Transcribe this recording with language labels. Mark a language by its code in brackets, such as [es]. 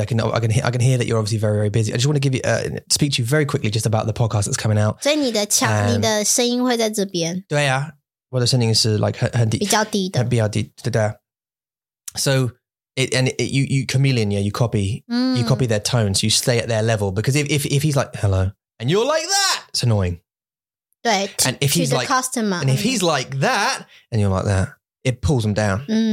[en] I can hear that you're obviously very, very busy. I just want to give you speak to you very quickly just about the podcast that's coming out. [zh] 所以你的声音会在这边。对啊,我的声音是 like 很低,比较低的。比较低,对啊。 [en] So, you chameleon, yeah, you copy their tone, so you stay at their level. Because if he's like, hello, and you're like that, it's annoying. 对, and if he's like, customer. And if he's like that, and you're like that, it pulls him down.